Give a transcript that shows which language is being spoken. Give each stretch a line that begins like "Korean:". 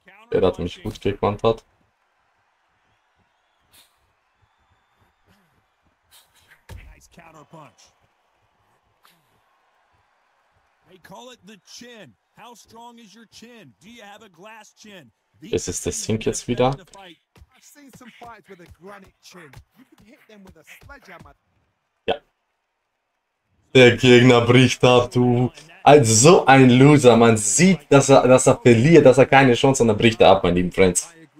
German: Er hat mich gut gekannt hat.
English: Nice counterpunch. They call it the chin. How strong is your chin? Do you have a glass chin?
German: Ist es der Sink jetzt wieder?
English: I've seen some fights with a granite chin. You can hit them with a sledgehammer.
German: Ja. Der Gegner bricht ab, du. Als so ein Loser, man sieht, dass er verliert, dass er keine Chance hat, dann bricht er ab, meine lieben Friends.